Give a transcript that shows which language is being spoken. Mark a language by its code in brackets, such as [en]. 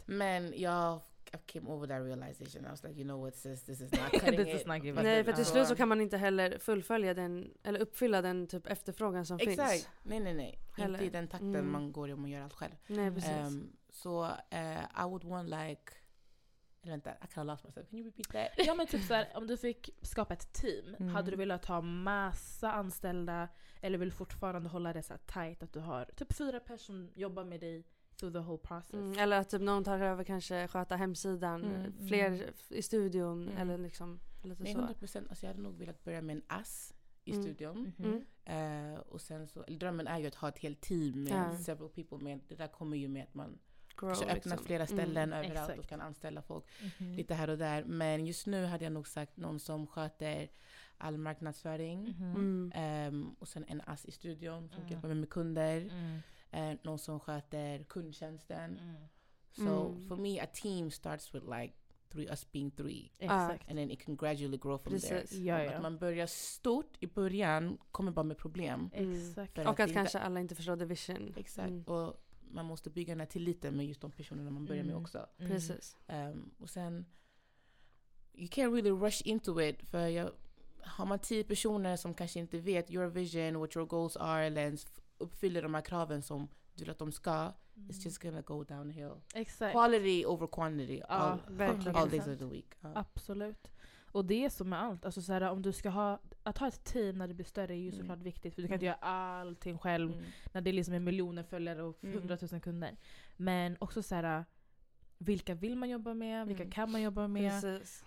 [sv] Men jag [en] came over that realization. I was like, you know what, sis, this is not cutting this it. Is not giving. [sv] Nej, för till slut så kan man inte heller fullfölja den, eller uppfylla den typ efterfrågan som finns. Exakt. Nej. Heller. Inte i den takten man går om och gör allt själv. Nej, precis. [en] I would want like... [sv] Eller vänta, [en] I kind of lost myself. Can you repeat that? [sv] Ja, men typ såhär, om du fick skapa ett team, hade du velat ha massa anställda eller vill fortfarande hålla det så tight att du har typ 4 personer som jobbar med dig [en] through the whole process? [sv] Eller att typ någon tar över kanske sköta hemsidan, fler i studion eller liksom lite så. 100%, alltså jag hade nog velat börja med en ass i studion. Och sen så, drömmen är ju att ha ett helt team med [en] several people, [sv] men det där kommer ju med att man [en] grow, [sv] öppnar flera ställen överallt och kan anställa folk lite här och där. Men just nu hade jag nog sagt någon som sköter all marknadsföring och sen en ass i studion som hjälper med kunder, någon som sköter kundtjänsten. [en] So for me a team starts with like us being three. And then it can gradually grow from there. [sv] Ja, ja. Att man börjar stort i början kommer bara med problem. Exakt. Och att kanske alla inte förstår [en] the vision. [sv] Exakt. Och man måste bygga den här tilliten med just de personerna man börjar med också. Precis. Och sen [en] you can't really rush into it, [sv] för jag, har man 10 personer som kanske inte vet [en] your vision, what your goals are, [sv] eller uppfyller de här kraven som du vill att de ska, [en] it's just gonna go downhill. [sv] Exakt. [en] Quality over quantity all days of the week. [sv] Absolut. Och det är som med allt, alltså så här, om du ska ha att ha ett team när det blir större är ju såklart viktigt. För du kan inte göra allting själv när det liksom är miljoner följare och 100 000 kunder. Men också så här, vilka vill man jobba med? Vilka kan man jobba med? Precis.